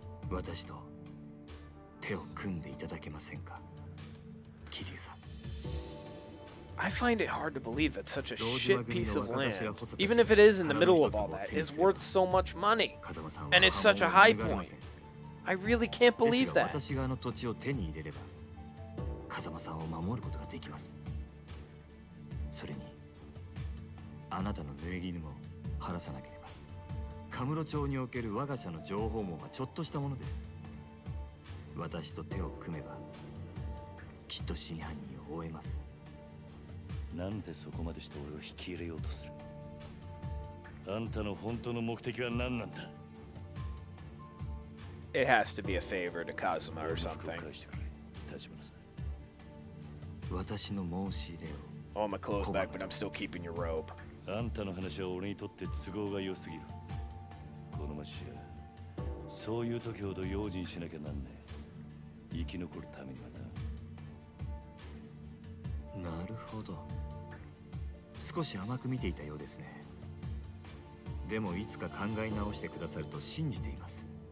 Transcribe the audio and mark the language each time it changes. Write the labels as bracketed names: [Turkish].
[Japanese] 私と手を組んでいただけませんか？キリュウさん。 [English] I find it hard to believe that such a shit piece of land, even if it is in the middle of all that, is worth so much money, and it's such a high point. I really can't believe that. [Japanese] ですが、私があの土地を手に入れれば、風間さんを守ることができます。それに、あなたの濡れ衣も晴らさなければ、カムロ町における我が社の情報網はちょっとしたものです。私と手を組めば、きっと真犯人を追えます。なんでそこまでして俺を引き入れようとする？あんたの本当の目的は何なんだ？ [English] It has to be a favor to Kazuma or something. [Japanese] 返してくれ、立花さん。私の申し入れを。 [English] All my clothes back, but I'm still keeping your robe. [Japanese] あんたの話は俺にとって都合が良すぎる。この街はそういう時ほど用心しなきゃなんねえ。生き残るためにはな。なるほど。少し甘く見ていたようですね。でもいつか考え直してくださると信じています。